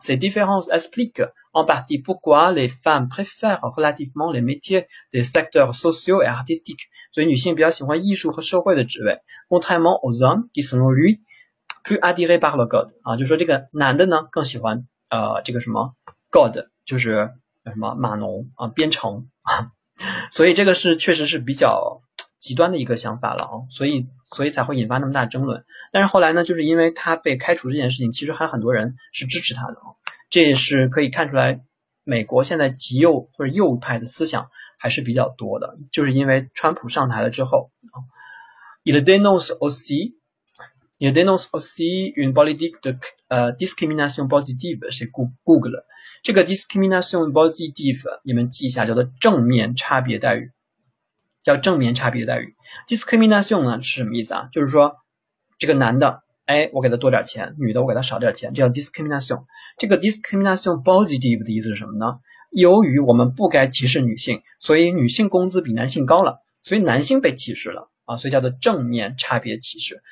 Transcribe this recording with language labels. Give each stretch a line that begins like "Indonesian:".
French: C'est différent explique en partie pourquoi les femmes préfèrent relativement les métiers des secteurs sociaux et artistiques，
Chinese: 所以女性比较喜欢艺术和社会的职位，
French: contrairement aux hommes qui sont lui plus attirés par le code 啊，
Chinese: 就说这个男的呢更喜欢这个什么 code，就是叫什么码农啊，编程啊，所以这个是确实是比较极端的一个想法了啊，所以才会引发那么大争论。但是后来呢，就是因为他被开除这件事情，其实还很多人是支持他的啊。这也是可以看出来，美国现在极右或者右派的思想还是比较多的，就是因为川普上台了之后啊。
French: Il dénonce aussi une politique de discrimination positive chez Google。
Chinese: 这个 discrimination positive 你们记一下，叫做正面差别待遇，叫正面差别待遇。 Discrimination 呢是什么意思啊？就是说这个男的，哎，我给他多点钱，女的我给他少点钱，这叫 discrimination。这个 discrimination positive 的意思是什么呢？由于我们不该歧视女性，所以女性工资比男性高了，所以男性被歧视了啊，所以叫做正面差别歧视。